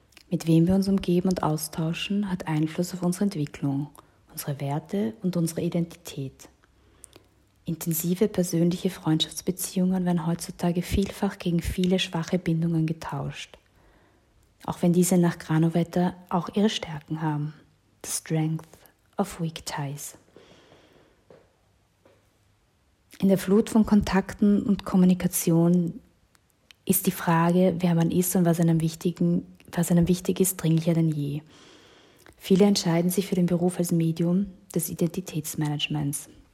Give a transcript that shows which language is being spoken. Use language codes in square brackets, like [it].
[de] Mit wem wir uns umgeben und austauschen, hat Einfluss auf unsere Entwicklung, unsere Werte und unsere Identität. Intensive persönliche Freundschaftsbeziehungen werden heutzutage vielfach gegen viele schwache Bindungen getauscht. Auch wenn diese nach Granovetter auch ihre Stärken haben. [en] The strength of weak ties. [de] In der Flut von Kontakten und Kommunikation ist die Frage, wer man ist und was einem wichtig ist, dringlicher denn je. Viele entscheiden sich für den Beruf als Medium des Identitätsmanagements.